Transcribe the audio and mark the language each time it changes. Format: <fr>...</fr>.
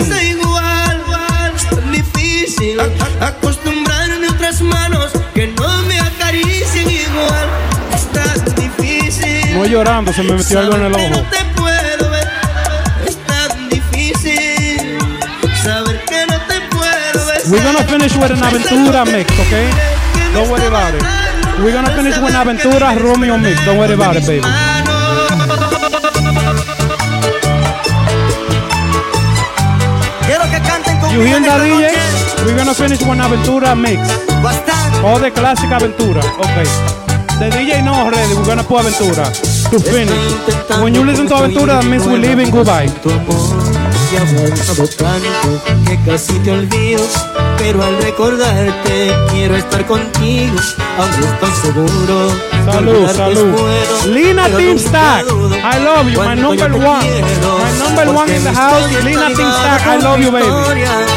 <es>Es tan difícil acostumbrarme a otras manos que no me acaricien igual. No llorando, se me metió algo en el ojo. No te puedo ver, es tan difícil saber que no te puedo ver.</es> <en>We're gonna finish with an aventura mix, ok? Don't worry about it. We're gonna finish with an aventura Romeo mix. Don't worry about it, baby. You hear that, DJ? We're gonna finish with an aventura mix. All the classic aventura, ok? The DJ no already, we're gonna put aventura to finish. When you listen to aventura, that means we're leaving goodbye.</en> <es>Tu amor, ya me ha dado tanto que casi te olvido, pero al recordarte quiero estar contigo, aunque estoy seguro. Salud, salud.</es> <en>Lina Team Stack, I love you, my number one. My number one in the house, Lina Team Stack, I love you, baby.</en>